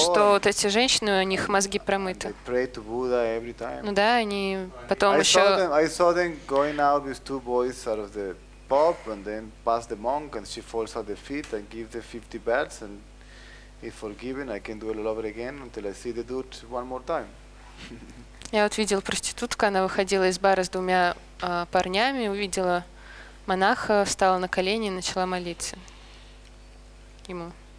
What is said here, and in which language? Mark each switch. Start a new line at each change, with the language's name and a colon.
Russian: Что вот эти женщины, у них мозги промыты.
English: They pray to Buddha every time.
Russian: Ну да, они потом
English: I
Russian: еще...
English: I saw them going out with two boys out of the pub, and then past the monk, and she falls at the feet and gives the 50 bells, and if forgiven, I can do it all over again until I see the dude one more time.
Russian: Я вот видел проститутку, она выходила из бара с двумя парнями, увидела монаха, встала на колени и начала молиться ему.